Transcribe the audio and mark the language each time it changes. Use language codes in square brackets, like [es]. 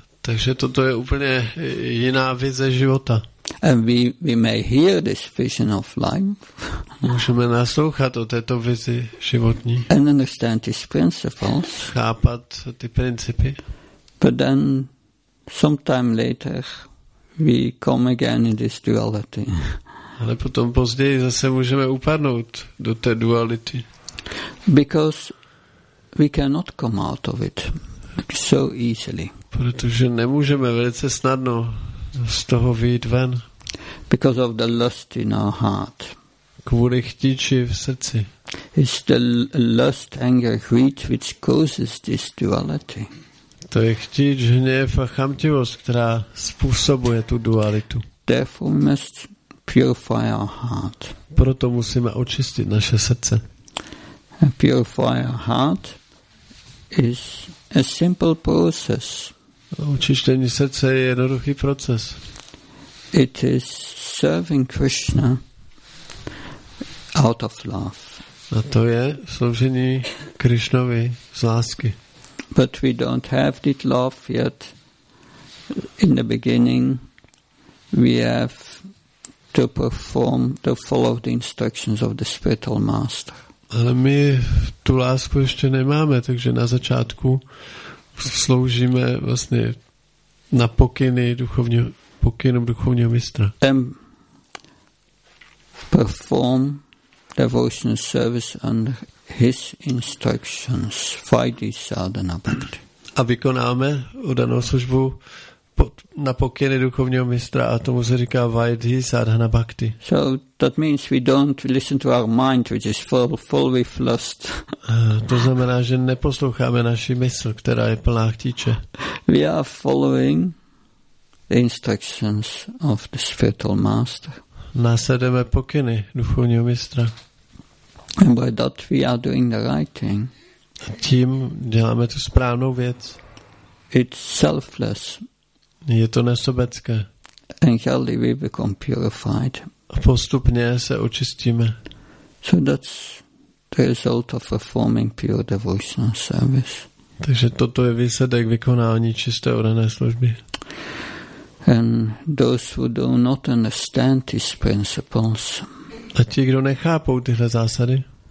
[cs] Takže toto je úplně jiná vize života. [en] And we may hear this vision of life. [cs] Můžeme naslouchat o této vizi životní. [en] And understand these principles. [cs] Chápat ty principy. [en] But then, sometime later, we come again in this duality. [cs] Ale potom později zase můžeme upadnout do té duality. [en] Because we cannot come out of it so easily. [cs] Protože nemůžeme velice snadno z toho vyjít ven. [en] Because of the lust in our heart. [cs] Kvůli chtíči v srdci. [en] It's the lust, anger, greed which causes this duality. [cs] To je chtíč, hněv a chamtivost, která způsobuje tu dualitu. [en] Therefore we must purify our heart. [cs] Proto musíme očistit naše srdce. [en] And purify our heart is a simple process. [cs] Očištění srdce je jednoduchý proces. [en] It is serving Krishna out of love. [cs] A to je sloužení Krišnovi z lásky. [en] But we don't have that love yet. In the beginning, we have to perform to follow the instructions of the spiritual master. [cs] Ale my tu lásku ještě nemáme, takže na začátku sloužíme vlastně na pokynu duchovního mistra. [en] Perform devotional service under his instructions, Vaidhi Sadhana Bhakti. [cs] A vykonáme odanou službu na pokyny duchovního mistra a tomu se říká Vaidhi Sadhana Bhakti. [en] So that means we don't listen to our mind, which is full with lust. [cs] To znamená, že neposloucháme naši mysl, která je plná chtíče. [en] We are following the instructions of the spiritual master. [cs] Následujeme pokyny duchovního mistra. [en] And by that we are doing the right thing. [cs] A tím děláme tu správnou věc. [en] It's selfless. [cs] Je to nesobecké. [en] And gradually we become purified. [cs] A postupně se očistíme. [en] So that's the result of performing pure devotional service. [cs] Takže toto je výsledek vykonání čisté oddané služby. [en] And those who do not understand these principles. [cs] A ti, kdo nechápou tyhle zásady.